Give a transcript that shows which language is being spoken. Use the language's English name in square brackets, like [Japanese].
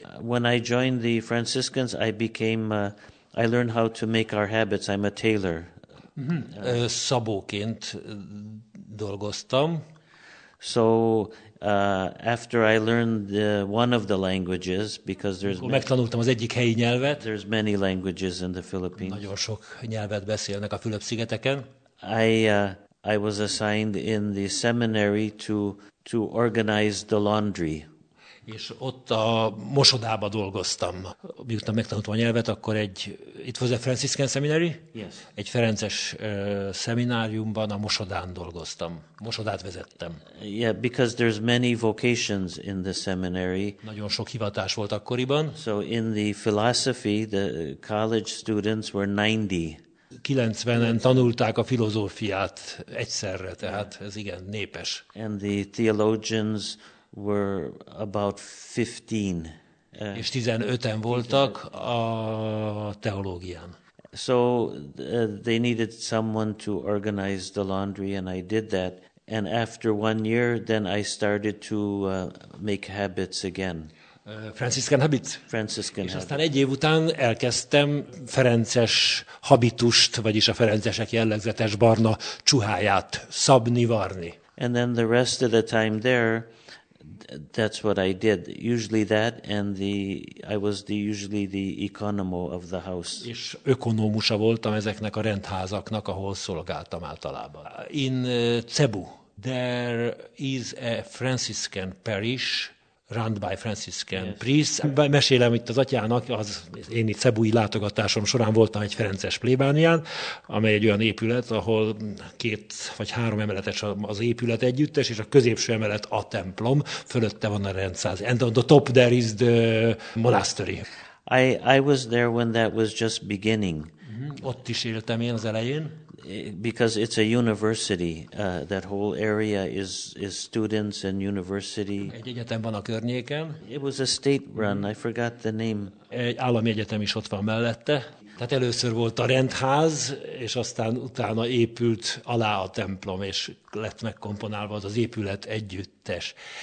[English] When I joined the Franciscans, I learned how to make our habits. I'm a tailor. [Hungarian] Szabóként dolgoztam. [English] So After I learned the, one of the languages, because there's [Hungarian] megtanultam az egyik helyi nyelvet. [English] There's many languages in the Philippines. [Hungarian] Nagyon sok nyelvet beszélnek a Fülöp-szigeteken. [English] I was assigned in the seminary to organize the laundry. [Hungarian] És ott a mosodába dolgoztam. Miután megtanultam a nyelvet, akkor egy [English] it was a Franciscan seminary. Yes. [Hungarian] Egy ferences szemináriumban a mosodán dolgoztam. Mosodát vezettem. [English] Yeah, because there's many vocations in the seminary. [Hungarian] Nagyon sok hivatás volt akkoriban. [English] So in the philosophy, the college students were 90. [Hungarian] 90-en tanulták a filozófiát egyszerre, tehát ez igen népes. [English] And the theologians were about 15. [Hungarian] És 15-en voltak a teológián. [English] So they needed someone to organize the laundry, and I did that. And after one year, then I started to make habits again. Franciscan habit. Franciscan [Hungarian] habit. És aztán egy év után elkezdtem ferences habitust, vagyis a ferencesek jellegzetes barna csuháját szabni, varni. [English] And then the rest of the time there, that's what I did. Usually that, and I was usually the economo of the house. [Hungarian] És ökonómusa voltam ezeknek a rendházaknak, ahol szolgáltam általában. [English] In Cebu, there is a Franciscan parish run by Franciscan priest. [Hungarian] Mesélem itt az atyának, az én itt cebui látogatásom során voltam egy ferences plébánián, amely egy olyan épület, ahol két vagy három emeletes az épület együttes, és a középső emelet a templom, fölötte van a rendszáz. [English] And on the top there is the monastery. I was there when that was just beginning. [Hungarian] Ott is éltem én az elején. [English] Because it's a university, that whole area is students and university. [Hungarian] Egy egyetem van a környéken. [English] It was a state run, I forgot the name. [Hungarian] Egy állami egyetem is ott van mellette. Tehát először volt a rendház, és aztán utána épült alá a templom, és lett megkomponálva az épület együttes.